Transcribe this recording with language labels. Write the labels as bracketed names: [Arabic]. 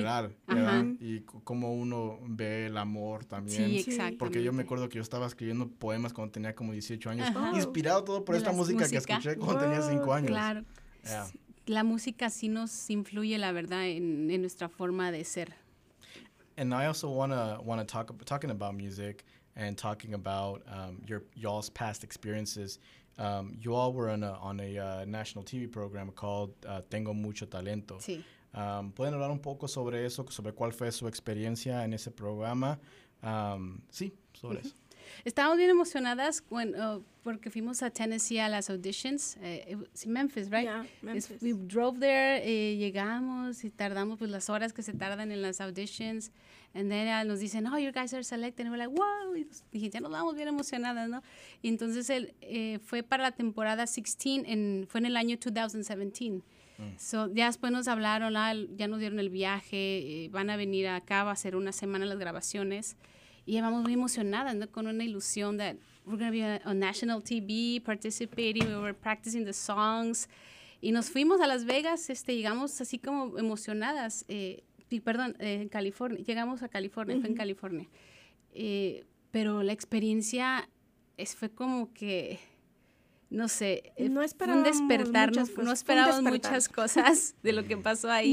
[Spanish] general, ¿verdad? Y cómo uno ve el amor también. Sí, exactamente. Porque yo me acuerdo que yo estaba escribiendo poemas cuando tenía como 18 años, ajá. Inspirado todo por esta música que escuché cuando tenía 5 años. Claro. Yeah. La música sí nos influye, la verdad, en nuestra forma de ser. [English] And I also wanna talking about music and talking about y'all's past experiences. You all were on a national TV program called Tengo Mucho Talento. [Spanish] Sí. ¿Pueden hablar un poco sobre eso, sobre cuál fue su experiencia en ese programa? Sí, sobre uh-huh. eso. Estábamos bien emocionadas porque fuimos a Tennessee a las auditions. [English] It's in Memphis, right? Yeah, Memphis. We drove there, [Spanish] llegamos y tardamos pues, las horas que se tardan en las auditions. [English] And then [Spanish] nos dicen, [English] oh, you guys are selected. And we're like, wow. [Spanish] Y ya nos vamos bien emocionadas, ¿no? Y entonces fue para la temporada 16, fue en el año 2017. So, ya después nos hablaron, ya nos dieron el viaje, van a venir acá, va a ser una semana las grabaciones. Y vamos muy emocionadas, ¿no? Con una ilusión [English] that we're going to be on national TV, participating, we were practicing the songs. [Spanish] Y nos fuimos a Las Vegas, llegamos así como emocionadas, en California, llegamos a California, uh-huh. Fue en California. Pero la experiencia fue como que, no sé, no esperábamos un despertar, no esperábamos despertar. Muchas cosas de lo que pasó ahí.